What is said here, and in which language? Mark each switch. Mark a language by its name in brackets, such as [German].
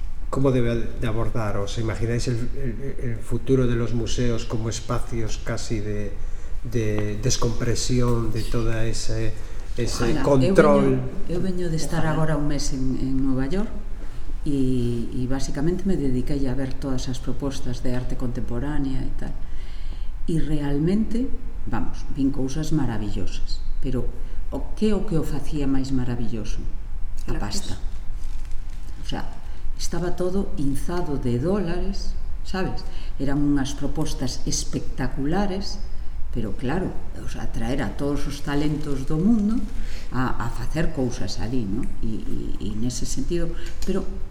[Spanish] ¿Cómo debe de abordaros? ¿Imagináis el futuro de los museos como espacios casi de descompresión de todo ese control? Yo vengo de estar ahora un mes en Nueva York. Y básicamente me dediqué a ver todas esas propuestas de arte contemporánea y tal. Y realmente, vamos, [Galician] vin cousas maravillosas. Pero ¿qué o facía máis maravilloso? A pasta. O sea, estaba todo inzado de dólares, ¿sabes? Eran unhas propostas espectaculares, pero claro, o sea, traer a todos os talentos do mundo a facer cousas ali, ¿no? Y nese sentido, pero